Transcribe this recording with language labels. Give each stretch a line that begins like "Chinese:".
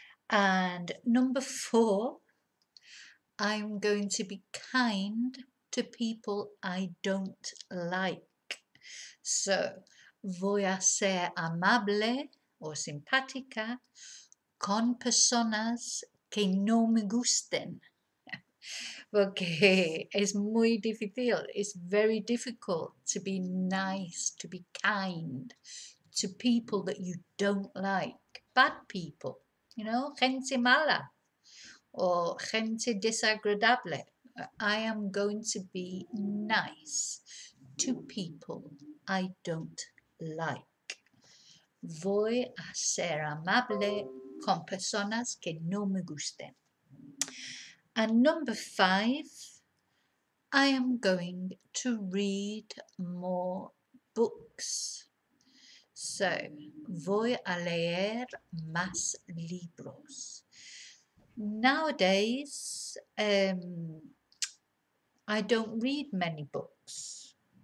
English: And number 4, I'm going to be kind to people I don't like. So,
Spanish: voy a ser amable o simpática con personas que no me gusten. Porque es muy difícil,
English: it's very difficult to be nice, to be kind to people that you don't like.
Spanish: Bad people, you know, gente mala, o gente desagradable,
English: I am going to be nice to people I don't like.
Spanish: Voy a ser amable con personas que no me gusten.
English: And number 5, I am going to read more books. So,
Spanish: voy a leer más libros.
English: Nowadays, I don't read many books.